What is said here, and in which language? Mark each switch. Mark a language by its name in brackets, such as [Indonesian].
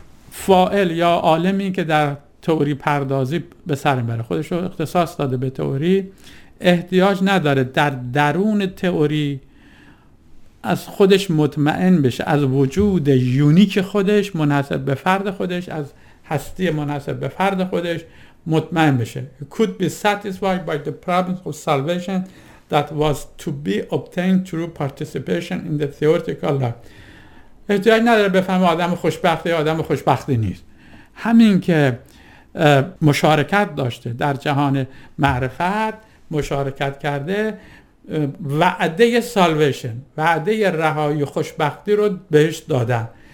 [Persian] فاعل یا عالمی که در تئوری پردازی به سر میبره، خودش رو اختصاص داده به تئوری، احتیاج نداره در درون تئوری از خودش مطمئن بشه، از وجود یونیک خودش منحصر به فرد خودش، از هستی منحصر به فرد خودش مطمئن بشه. [English] He could be satisfied by the problems of salvation that was to be obtained through participation in the theoretical life. [Persian] احتیاج نداره بفهم آدم خوشبختی آدم خوشبختی نیست، همین که مشارکت داشته در جهان معرفت، مشارکت کرده، وعده سالویشن، وعده رهایی خوشبختی رو بهش دادن.